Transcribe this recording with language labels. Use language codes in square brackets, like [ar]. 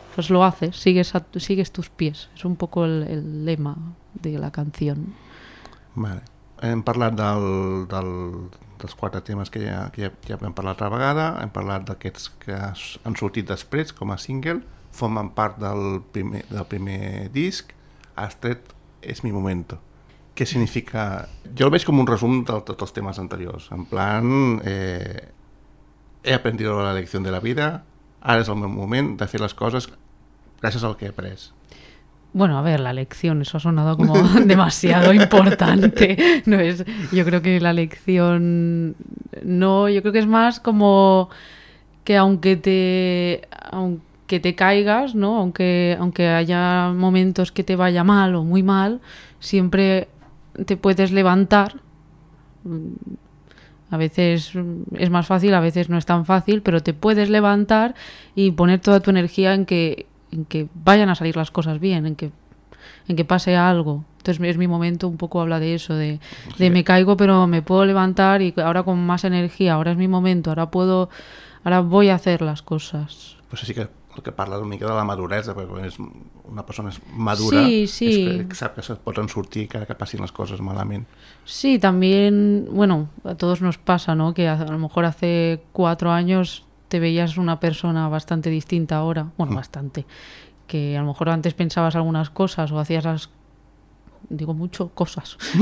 [es] Pues lo haces, sigues tus pies. Es un poco el lema de la canción. Vale. [ca] Hem parlat dels quatre temes que ja hem parlat altra vegada. Hem parlat d'aquests que han sortit després com a single. Formen part del primer disc. Has tret És mi momento. Què significa? Jo el veig com un resum de tots els temes anteriors. En plan, [es] he aprendido la lección de la vida, [ca] ara és el meu moment de fer les coses gràcies al que he après. [es] Bueno, a ver, la lección, eso ha sonado como demasiado importante. No es, yo creo que la lección... No, yo creo que es más como que aunque te caigas, ¿no? Aunque haya momentos que te vaya mal o muy mal, siempre... te puedes levantar. A veces es más fácil, a veces no es tan fácil, pero te puedes levantar y poner toda tu energía en que vayan a salir las cosas bien, en que pase algo. Entonces Es mi momento, un poco habla de eso, de me caigo pero me puedo levantar y ahora con más energía, ahora es mi momento, ahora voy a hacer las cosas. [ca] Pues sí que el que parla una mica de la maduresa, perquè és una persona és madura, sí, sí. És que sap que se't poden sortir encara que passin les coses malament. [es] Sí, también, bueno, a todos nos pasa, ¿no? Que a lo mejor hace 4 años te veías una persona bastante distinta ahora, bueno, bastante, que a lo mejor antes pensabas algunas cosas o hacías las, digo mucho, cosas.